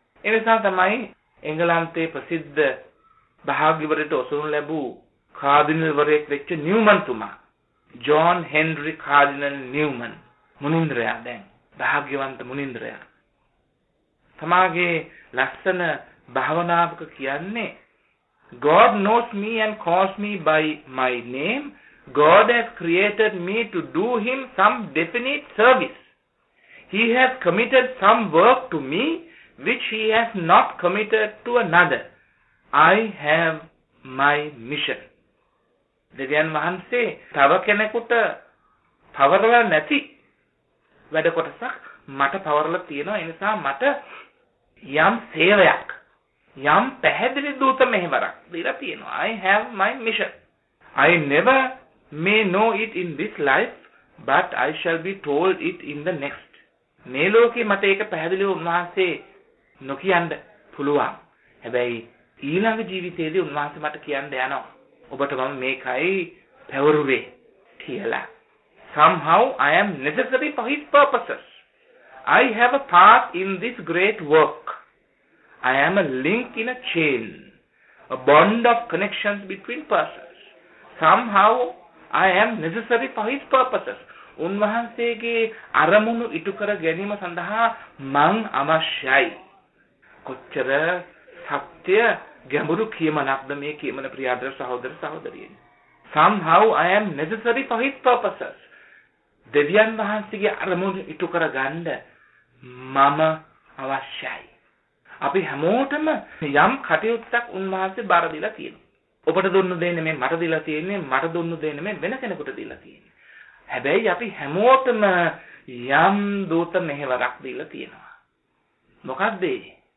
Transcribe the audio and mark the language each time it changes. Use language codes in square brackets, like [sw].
[si] එනිසා තමයි එංගලන්තයේ ප්‍රසිද්ධ භාග්‍යවරයට ඔසුන් ලැබූ කාදිනල්වරයෙක් වෙච්ච නිව්මන්තුමා, ජෝන් හෙන්රි කාදිනල් නිව්මන් මුනින්ද්‍රයා, දැන් භාග්‍යවන්ත මුනින්ද්‍රයා, තමාගේ ලස්සන භාවනාවක කියන්නේ [en] God knows me and calls me by my name. God has created me to do him some definite service. He has committed some work to me which he has not committed to another. I have my mission. [si] දෙවියන් වහන්සේ තව කෙනෙකුට පවරලා නැති වැඩ කොටසක් මට පවරලා තියෙනවා. ඒ නිසා මට යම් සේවයක් යම් පැහැදිලි දූත මෙහෙවරක් දීලා තියෙනවා. [en] I have my mission. I never may know it in this life, but I shall be told it in the next. [si] මේ ලෝකේ මට ඒක පැහැදිලිව උන්වහන්සේ නොකියන්න පුළුවන්. හැබැයි ඊළඟ ජීවිතයේදී උන්වහන්සේ මට කියන්න යනවා. ඔබට මම මේකයි පැවරුවේ කියලා. [en] Somehow I am necessary for his purposes. I have a part in this great work. I am a link in a chain, a bond of connections between persons. Somehow I am necessary for his purposes. [si] උන්වහන්සේගේ අරමුණු ඉටු කර ගැනීම සඳහා මං අවශ්‍යයි. කොච්චර සත්‍ය ගැඹුරු කීමක්ද මේ කීමන ප්‍රියදර සහෝදර සහෝදරියනි. [en] Somehow I am necessary for his purposes. [si] දෙවියන් වහන්සේගේ අරමුණු ඉටු කර ගන්න මම අවශ්‍යයි. අපි හැමෝටම යම් කටයුත්තක් උන්වහන්සේ බාර දීලා තියෙනවා. ඔබට දුන්නු දෙන්නේ නෙමෙයි මට දීලා තියෙන්නේ, මට දුන්නු දෙන්නේ නෙමෙයි වෙන කෙනෙකුට දීලා තියෙන්නේ. හැබැයි අපි හැමෝටම යම් දූත මෙහෙවරක් දීලා තියෙනවා. මොකද්ද ඒ?